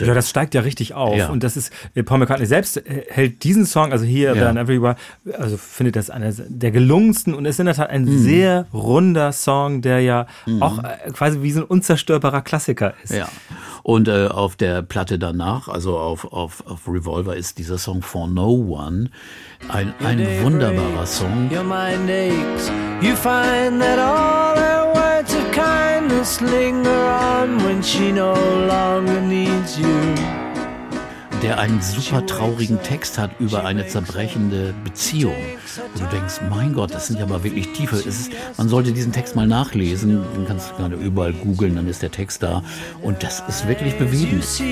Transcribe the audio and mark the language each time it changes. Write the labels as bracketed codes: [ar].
[de] ja, das steigt ja richtig auf. Ja. Und das ist, Paul McCartney selbst hält diesen Song, also hier, Then Everywhere, also findet das einer der gelungensten und ist in der Tat ein sehr runder Song, der ja auch quasi wie so ein unzerstörbarer Klassiker ist. Ja. Und auf der Platte danach, also auf Revolver, ist dieser Song For No One ein wunderbarer Song. [en] Your mind aches, you find that all her words of kindness linger on when she no longer needs you. [de] Der einen super traurigen Text hat über eine zerbrechende Beziehung. Und du denkst, mein Gott, das sind ja mal wirklich Tiefe. Man sollte diesen Text mal nachlesen. Den kannst du gerade überall googeln, dann ist der Text da. Und das ist wirklich bewegend.